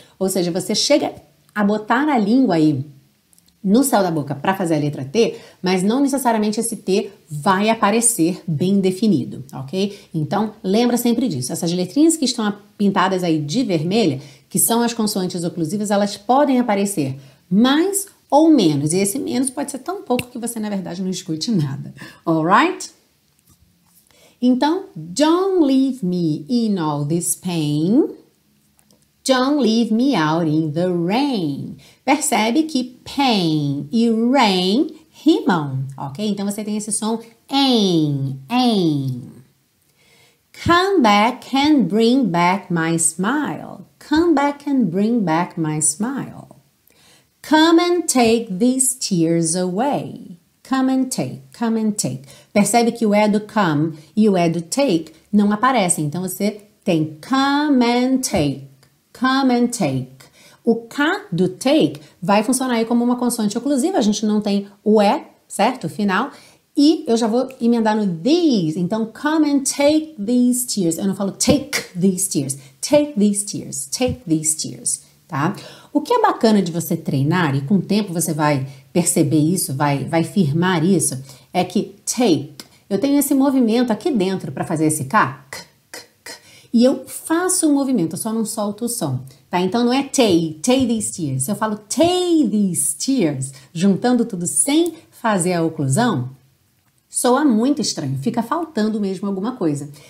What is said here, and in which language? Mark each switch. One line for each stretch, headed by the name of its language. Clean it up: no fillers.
Portuguese: Ou seja, você chega a botar a língua aí no céu da boca para fazer a letra T, mas não necessariamente esse T vai aparecer bem definido, ok? Então, lembra sempre disso. Essas letrinhas que estão pintadas aí de vermelha, que são as consoantes oclusivas, elas podem aparecer mais ou menos. E esse menos pode ser tão pouco que você, na verdade, não escute nada.
English: Alright? Então, don't leave me in all this pain. Don't leave me out in the rain.
Portuguese: Percebe que pain e rain rimam, ok? Então, você tem esse som, ain, ain.
English: Come back and bring back my smile. Come back and bring back my smile. Come and take these tears away. Come and take, come and take.
Portuguese: Percebe que o é do come e o é do take não aparece. Então, você tem
English: come and take, come and take.
Portuguese: O K do take vai funcionar aí como uma consoante oclusiva. A gente não tem o é, certo? Final. E eu já vou emendar no these.
English: Então, come and take these tears.
Portuguese: Eu não falo
English: take these tears. Take these tears, take these tears, tá?
Portuguese: O que é bacana de você treinar, e com o tempo você vai perceber isso, vai firmar isso, é que take, eu tenho esse movimento aqui dentro para fazer esse K, k, k, k, e eu faço o movimento, eu só não solto o som, tá? Então, não é
English: take these tears,
Portuguese: eu falo take these tears, juntando tudo sem fazer a oclusão, soa muito estranho, fica faltando mesmo alguma coisa.